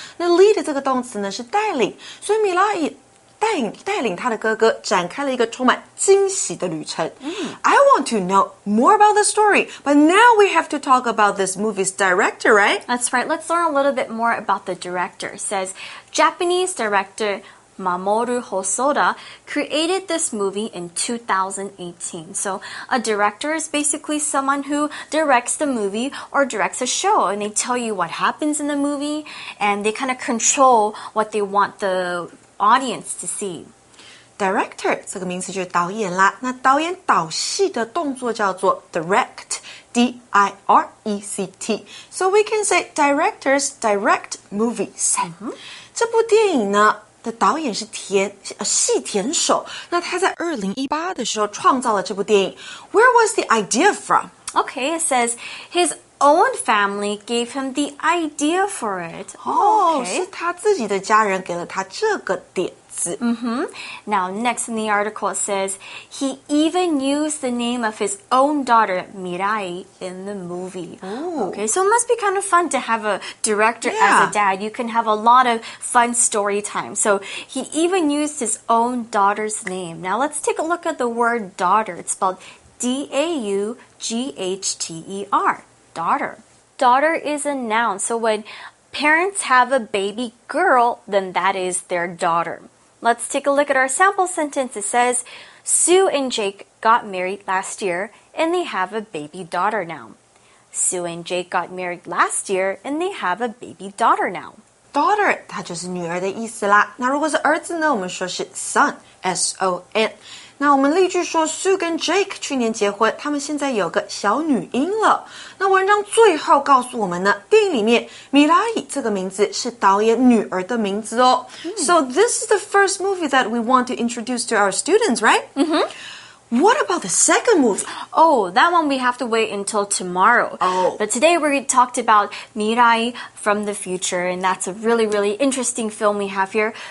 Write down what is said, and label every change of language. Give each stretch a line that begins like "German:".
Chinese: 那 lead 这个动词呢是带领，所以米拉以带领他的哥哥展开了一个充满惊喜的旅程。
English: I want to know more about the story, but now we have to talk about this movie's director, right? That's right. Let's learn a little bit more about the director. It says, Japanese director Mamoru Hosoda created this movie in 2018. So a director is basically someone who directs the movie or directs a show, and they tell you what happens in the movie, and they kind of control what they want the audience to see.
Chinese: Director 这个名词就是导演啦。那导演导戏的动作叫做 direct, D-I-R-E-C-T.
English: So we can say directors direct movies.、 Mm-hmm.
Chinese: 这部电影呢的导演是细田守，那他在2018的时候创造了这部电影。
English: Where was the idea from? Okay, it says his own family gave him the idea for it. Oh, okay.
Chinese: 是他自己的家人给了他这个点子。
English: Mm-hmm. Now, next in the article, it says he even used the name of his own daughter, Mirai, in the movie. Ooh. Okay, so it must be kind of fun to have a director、yeah. as a dad. You can have a lot of fun story time. So he even used his own daughter's name. Now, let's take a look at the word daughter. It's spelled D-A-U-G-H-T-E-R, daughter. Daughter is a noun. So when parents have a baby girl, then that is their daughter. Let's take a look at our sample sentence. It says, Sue and Jake got married last year, and they have a baby daughter now. Sue and Jake got married last year, and they have a baby daughter now.
Chinese: Daughter, 它就是女儿的意思啦。那如果是儿子呢，我们说是 son, S-O-N. 那我们例句说 Sue 跟 Jake 去年结婚，他们现在有个小女婴了。那文章最后告诉我们呢，电影里面米拉伊这个名字是导演女儿的名字哦。
English: Mm. So this is the first movie that we want to introduce to our students, right? Mm-hmm. What about the second movie? Oh, that one we have to wait until tomorrow. Oh. But today we talked about Mirai from the future, and that's a really, really interesting film we have here.